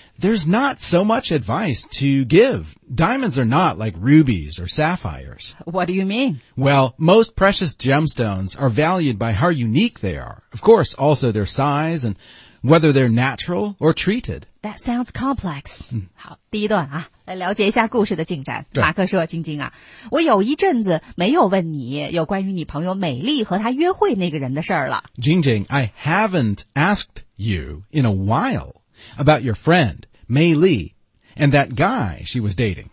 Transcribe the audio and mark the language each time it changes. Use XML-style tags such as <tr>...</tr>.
<en>There's not so much advice to give. Diamonds are not like rubies or sapphires. What do you mean? Well, most precious gemstones are valued by how unique they are. Of course, also their size and whether they're natural or treated. That sounds complex.</en> <zh>好，第一段啊，来了解一下故事的进展。马克说，晶晶啊，我有一阵子没有问你有关于你朋友美丽和她约会那个人的事儿了。</zh> <en>Jingjing, I haven't asked you in a while about your friend, Mei Li, and that guy she was dating.</en>